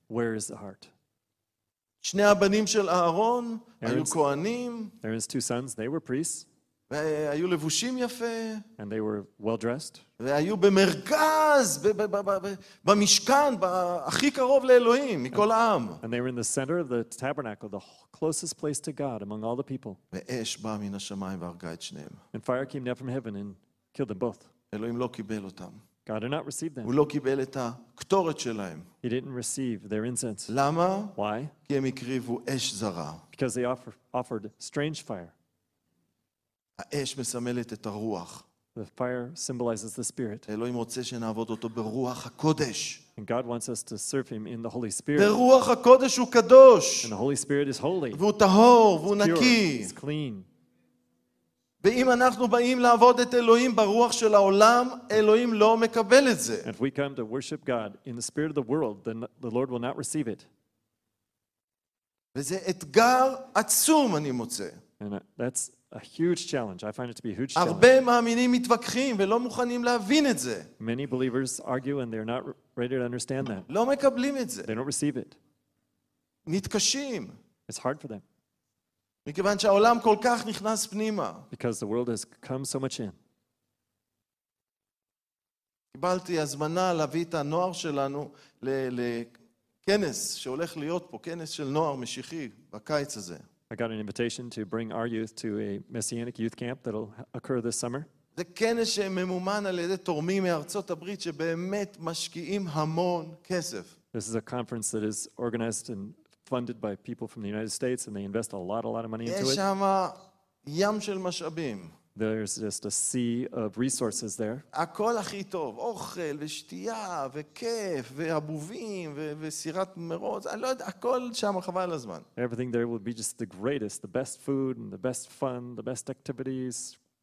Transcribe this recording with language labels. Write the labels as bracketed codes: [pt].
[en] Where is the heart? [he] שני הבנים של אהרון היו כהנים. [en] Aaron's two sons, they were priests. [he] והיו לבושים יפה. [en] And they were well dressed. [he] והיו במרכז, במשכן, הכי קרוב לאלוהים, מכל העם. [en] And they were in the center of the tabernacle, the closest place to God among all the people. [he] ואש באה מן השמיים והרגה את שניהם. [en] And fire came down from heaven and killed them both. [he] אלוהים לא קיבל אותם. [en] God did not receive them. [he] הוא לא קיבל את הקטורת שלהם. [en] He didn't receive their incense. [he] למה? [en] Why? [he] כי הם הקריבו אש זרה. [en] Because they offered strange fire. [he] האש מסמלת את הרוח. [en] The fire symbolizes the spirit. [he] אלוהים רוצה שנעבוד אותו ברוח הקודש. [en] And God wants us to serve him in the Holy Spirit. [he] ברוח הקודש הוא קדוש. [en] And the Holy Spirit is holy. [he] והוא טהור, והוא נקי. [en] It's clean. [he] ואם אנחנו באים לעבוד את אלוהים ברוח של העולם, אלוהים לא מקבל את זה. [en] If we come to worship God in the spirit of the world, then the Lord will not receive it. [he] וזה אתגר עצום אני מוצא. [en] And that's a huge challenge. I find it to be a huge challenge. [he] הרבה מאמינים מתווכחים ולא מוכנים להבין את זה. [en] Many believers argue and they're not ready to understand that. [he] לא מקבלים את זה. [en] They don't receive it. [he] מתקשים. [en] It's hard for them. [he] מכיוון שהעולם כל כך נכנס פנימה. [en] Because the world has come so much in. [he] קיבלתי הזמנה להביא את הנוער שלנו לכנס שהולך להיות פה, כנס של נוער משיחי בקיץ הזה. [en] I got an invitation to bring our youth to a messianic youth camp that'll occur this summer. [he] זה כנס שממומן על ידי תורמים מארצות הברית שבאמת משקיעים המון כסף. [en] This is a conference that is organized and funded by people from the United States and they invest a lot of money into it. [he] יש שם ים של משאבים. [en] There's just a sea of resources there. [he] הכל הכי טוב, אוכל ושתייה וכיף ואבובים וסירת מרוץ. אני לא יודע, הכל שם חבל הזמן. [en] Everything there will be just the greatest, the best food and the best fun, the best activities.